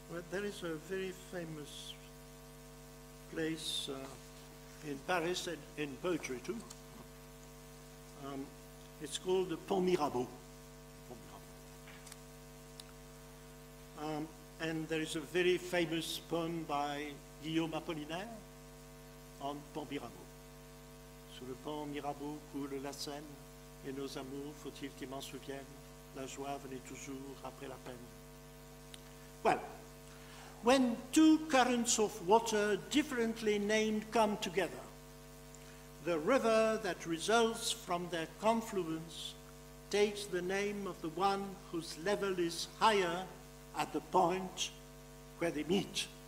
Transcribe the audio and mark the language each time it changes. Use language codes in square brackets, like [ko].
[en] There is a very famous place in Paris and in poetry too. It's called the Pont Mirabeau. And there is a very famous poem by Guillaume Apollinaire on Pont Mirabeau. [fr] Sous le Pont Mirabeau coule la Seine et nos amours, faut-il qu'ils m'en souviennent, la joie venait toujours après la peine. [en] Well, when two currents of water differently named come together, the river that results from their confluence takes the name of the one whose level is higher at the point where they meet.